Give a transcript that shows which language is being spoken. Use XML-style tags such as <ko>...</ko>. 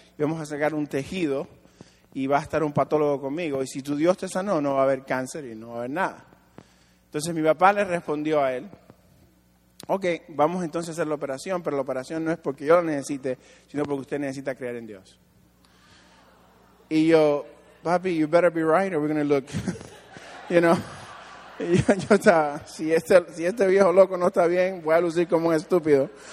<es>Y vamos a sacar un tejido y va a estar un patólogo conmigo. Y si tu Dios te sanó, no va a haber cáncer y no va a haber nada. Entonces mi papá le respondió a él, ok, vamos entonces a hacer la operación, pero la operación no es porque yo la necesite, sino porque usted necesita creer en Dios. Y yo, papi,</es> <en>you better be right or we're going to look, you know.</en> <es>Y yo estaba, si este viejo loco no está bien, voy a lucir como un estúpido.</es>